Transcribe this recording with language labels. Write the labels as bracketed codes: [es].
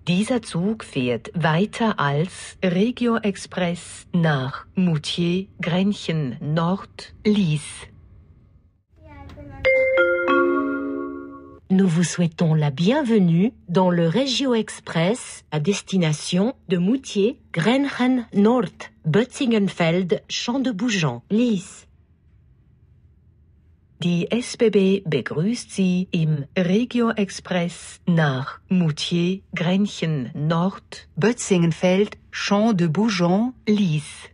[de] Dieser Zug fährt weiter als Regio Express nach Moutier, Grenchen Nord, Lys. [fr] Nous vous souhaitons la bienvenue dans le Regio Express à destination de Moutier, Grenchen Nord, Bötzingenfeld, Champ de Bougeant, Lys. [de] Die SBB begrüßt Sie im Regio Express nach Moutier, Grenchen Nord, Bötzingenfeld, Champ de Bougeant, Lys.